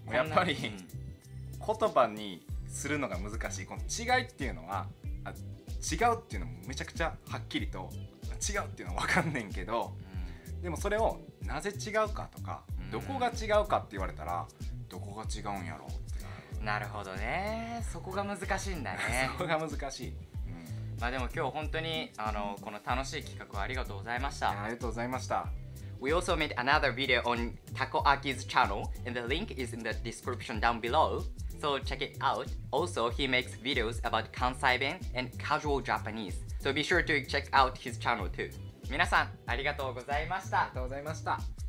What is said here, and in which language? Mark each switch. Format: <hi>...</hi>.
<ja>やっぱり言葉にするのが難しい。この違いっていうのは、違うっていうのもめちゃくちゃはっきりと違うっていうのは分かんねんけど、でもそれをなぜ違うかとか、どこが違うかって言われたら、どこが違うんやろって。なるほどね、そこが難しいんだね。そこが難しい。まあでも今日本当にあのこの楽しい企画をありがとうございました。ありがとうございました。</ja> <en>We also made another video on Takoaki's channel and the link is in the description down below, so check it out. Also, he makes videos about Kansai Ben and casual Japanese, so be sure to check out his channel too.</en> <ja>皆さんありがとうございました。ありがとうございました。</ja>